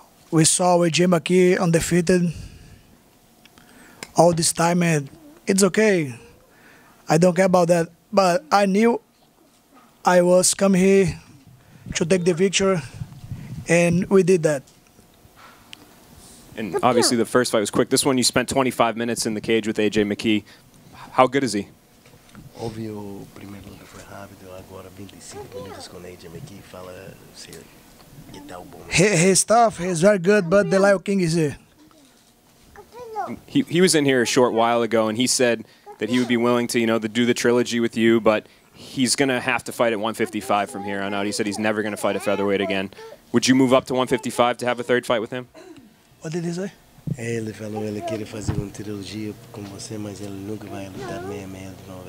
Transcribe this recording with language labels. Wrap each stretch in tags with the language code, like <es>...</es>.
<en>We saw with Jim McKee undefeated all this time, and it's okay. I don't care about that. But I knew I was coming here to take the victory, and we did that. And obviously the first fight was quick. This one, you spent 25 minutes in the cage with AJ McKee. How good is he?</en> <pt>Óbvio, o primeiro luta foi rápido, agora 25 minutos com AJ McKee, fala se ele tá bom.</pt> <en>His tough, he's very good, but the Lion King is here. He was in here a short while ago, and he said that he would be willing to, you know, to do the trilogy with you, but he's going to have to fight at 155 from here on out. He said he's never going to fight a featherweight again. Would you move up to 155 to have a third fight with him? What did he say?</en> <pt>Ele falou ele queria fazer uma trilogia com você, mas ele nunca vai lutar meia-meia de novo.</pt>